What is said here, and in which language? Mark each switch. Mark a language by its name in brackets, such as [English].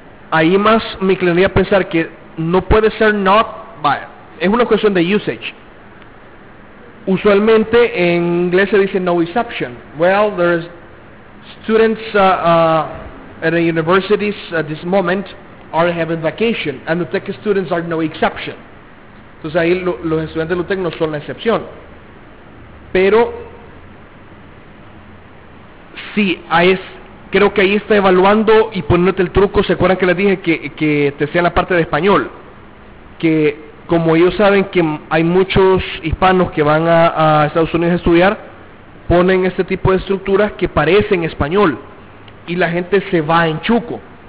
[Spanish] Ahí más me inclinaría a pensar que no puede ser not, vaya, es una cuestión de usage. Usualmente en inglés se dice [English] no exception. Well, there is students at the universities at this moment are having vacation, and the tech students are no exception. [Spanish] Entonces ahí los estudiantes de UTEC no son la excepción. Pero sí, creo que ahí está evaluando y poniéndote el truco. ¿Se acuerdan que les dije que te sea la parte de español? Que como ellos saben que hay muchos hispanos que van a Estados Unidos a estudiar, ponen este tipo de estructuras que parecen español y la gente se va en chuco.